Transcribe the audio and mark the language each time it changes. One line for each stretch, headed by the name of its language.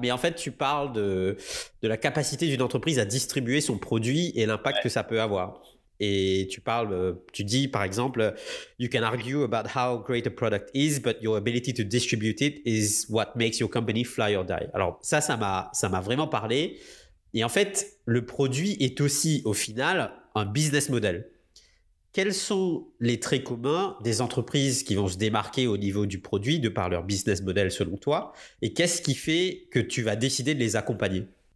French: Mais en fait tu parles de la capacité d'une entreprise à distribuer son produit et l'impact que ça peut avoir. Et tu dis par exemple,
English: you can argue about how great a product is, but your ability to distribute it is what makes your company fly or die.
French: Alors ça m'a vraiment parlé. Et en fait, le produit est aussi au final un business model. Quels sont les traits communs des entreprises qui vont se démarquer au niveau du produit de par leur business model selon toi? Et qu'est-ce qui fait que tu vas décider de les accompagner?